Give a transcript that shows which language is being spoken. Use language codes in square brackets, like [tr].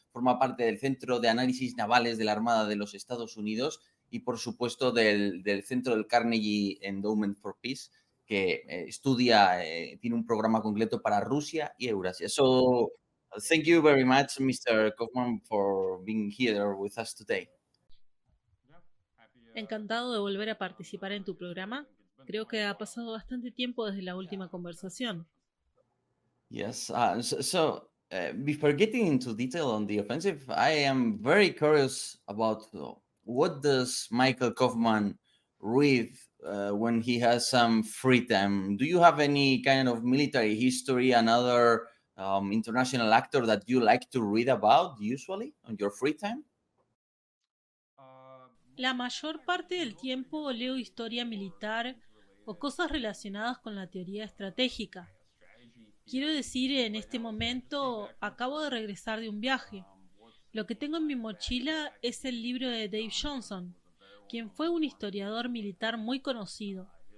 [es] Forma parte del Centro de Análisis Navales de la Armada de los Estados Unidos y, por supuesto, del Centro del Carnegie Endowment for Peace, que tiene un programa completo para Rusia y Eurasia. [en] So, thank you very much, Mr. Kaufmann, for being here with us today. [es] Encantado de volver a participar en tu programa. Creo que ha pasado bastante tiempo desde la última conversación. [en] Yes, before getting into detail on the offensive, I am very curious about what does Michael Kaufmann read when he has some free time? Do you have any kind of military history, another international actor that you like to read about usually on your free time? [es] La mayor parte del tiempo leo historia militar o cosas relacionadas con la teoría estratégica. Quiero decir, en este momento acabo de regresar de un viaje. Lo que tengo en mi mochila es el libro de Dave Johnson, quien fue un historiador militar muy conocido.